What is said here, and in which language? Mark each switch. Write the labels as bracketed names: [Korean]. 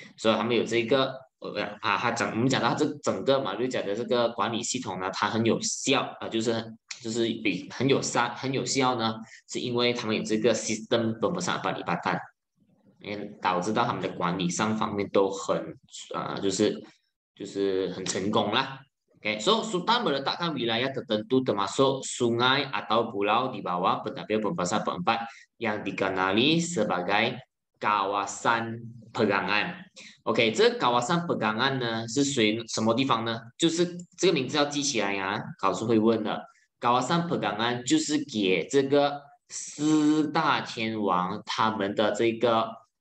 [Chinese] 所以他们有这个，我们讲到这整个马六甲的这个管理系统呢，它很有效啊，就是比很有效很有效呢，是因为他们有这个 System 本巴萨巴里巴丹。导致到他们的管理上方面都很，就是很成功啦。 [English] OK，so [Malay] Sultan meletakkan wilayah tertentu termasuk sungai atau pulau di bawah pentadbir Pembesar Perempat yang dikenali sebagai kawasan pegangan. [Chinese] OK，这个kawasan pegangan 呢是属于什么地方呢？就是这个名字要记起来呀，考试会问的。kawasan pegangan 就是给这个四大天王他们的这个。